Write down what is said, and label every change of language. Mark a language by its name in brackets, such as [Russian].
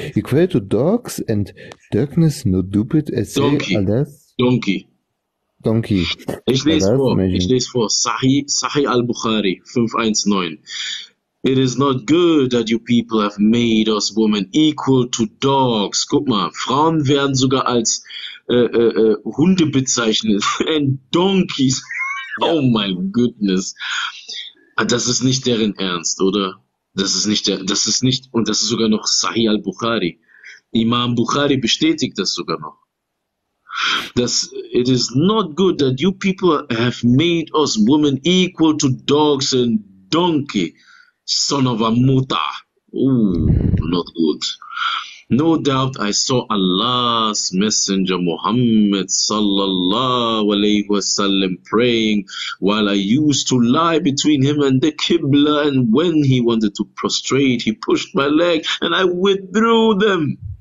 [English] Equal to dogs and darkness no stupid as Donkey. Donkey. [German] Ich lese vor, Sahih al-Bukhari 519. [English] It is not good that you people have made us women equal to dogs. [German] Guck mal, Frauen werden sogar als Hunde bezeichnet. [English] And donkeys. Oh my goodness. [German] Das ist nicht deren Ernst, oder? Das ist nicht der, das ist nicht, und das ist sogar noch Sahih al-Bukhari. Imam Bukhari bestätigt das sogar noch. [English] Das, it is not good that you people have made us women equal to dogs and donkey, son of a mutter. Ooh, not good. No doubt I saw Allah's messenger Muhammad [Arabic] sallallahu alayhi wa sallam [English] praying while I used to lie between him and the Qibla, and when he wanted to prostrate, he pushed my leg and I withdrew them.